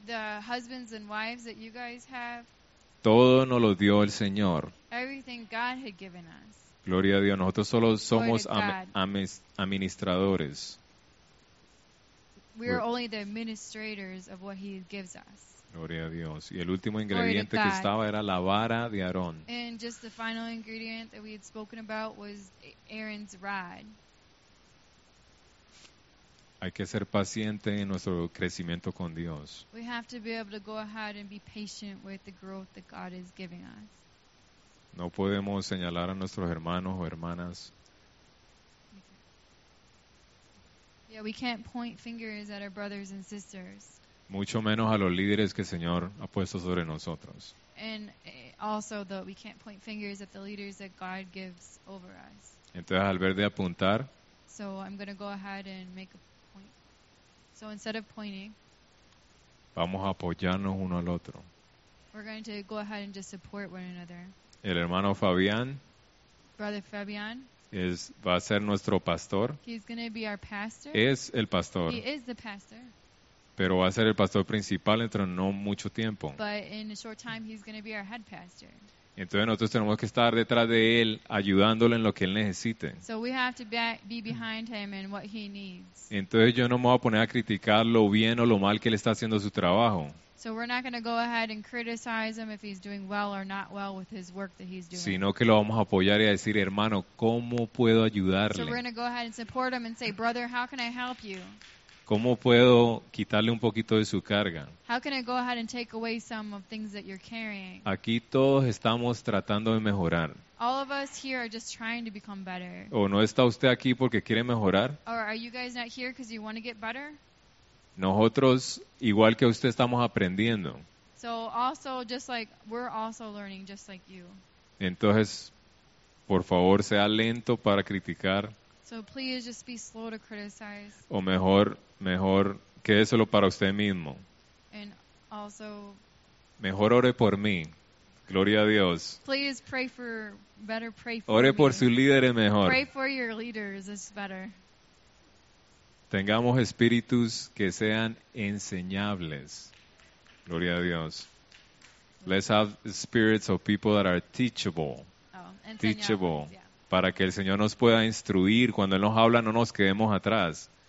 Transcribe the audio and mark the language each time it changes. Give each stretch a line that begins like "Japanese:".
English: The husbands and wives that you guys have.
Spanish: Todo nos lo dio el Señor.
English: Everything God had given us.
Spanish: Gloria a Dios. Nosotros solo somos administradores.
English: We are only the administrators of what He gives us.
Spanish: Gloria a Dios. Y el último ingrediente que estaba era la vara de Aarón.
English: And just the final ingredient that we had spoken about was Aaron's rod.
Spanish: Hay que ser paciente en nuestro crecimiento con Dios.
English: We have to be able to go ahead and be patient with the growth that God is giving us.
Spanish: No podemos señalar a nuestros hermanos o hermanas.
English: Yeah, we can't point fingers at our brothers and sisters.
Spanish: Mucho menos a los líderes que el Señor ha puesto sobre nosotros.
English: And also that we can't point fingers at the leaders that God gives over us.
Spanish: Entonces, al ver de apuntar,
English: so I'm going to go ahead and make a point. So instead of pointing,
Spanish: vamos a apoyarnos uno al otro.
English: We're going to go ahead and just support one another.
Spanish: El hermano Fabián,
English: Brother Fabián,
Spanish: va a ser nuestro pastor.
English: He's going to be our pastor.
Spanish: Es el pastor.
English: He is the pastor.
Spanish: Pero va a ser el pastor principal dentro de no mucho tiempo.
English: But in a short time, he's going to be our head pastor.
Spanish: Entonces nosotros tenemos que estar detrás de él, ayudándole en lo que él necesite.
English: So we have to be behind him and what he needs.
Spanish: Entonces yo no me voy a poner a criticar lo bien o lo mal que él está haciendo su trabajo.
English: So we're not going to go ahead and criticize him if he's doing well or not well with his work that he's doing.
Spanish: Sino que lo vamos a apoyar y a decir, hermano, ¿cómo puedo ayudarle?
English: So we're going to go ahead and support him and say, brother, how can I help you?
Spanish: ¿Cómo puedo quitarle un poquito de su carga?
English: How can I go ahead and take away some of things that you're carrying?
Spanish: Aquí todos estamos tratando de mejorar.
English: All of us here are just trying to become better.
Spanish: ¿O no está usted aquí porque quiere mejorar?
English: Or are you guys not here because you want to get better?
Spanish: Nosotros, igual que usted, estamos aprendiendo.
English: So also, just like, we're also learning just like you.
Spanish: Entonces, por favor, sea lento para criticar.
English: So please just be slow to criticize.
Spanish: O mejor quédeselo para usted mismo.
English: And also,
Spanish: mejor ore por mí. Gloria a Dios.
English: Please pray for better pray for
Spanish: ore Por sus líderes mejor.
English: Pray for your leaders, it's better.
Spanish: Tengamos espíritus que sean enseñables. Gloria a Dios.
English: Let's have spirits of people that are teachable. Oh, enseñables, teachable. Yeah.
Spanish: Para que el Señor nos pueda instruir. Cuando Él nos habla, no nos quedemos atrás.